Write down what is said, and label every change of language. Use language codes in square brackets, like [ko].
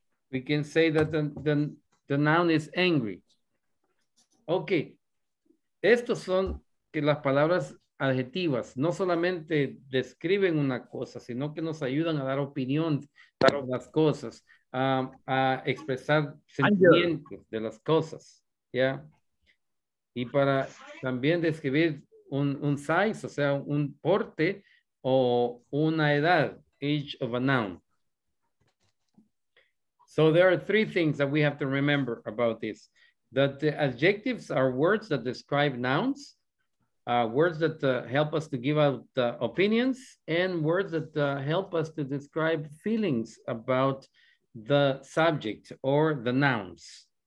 [en] We can say that the noun is angry. [es] Ok, estos son que las palabras adjetivas no solamente describen una cosa, sino que nos ayudan a dar opinión sobre las cosas, a expresar sentimientos de las cosas, ¿ya? Y para también describir un size, o sea, un porte o una edad, [en] age of a noun. So there are three things that we have to remember about this. That the adjectives are words that describe nouns, words that help us to give out opinions, and words that help us to describe feelings about the subject or the nouns.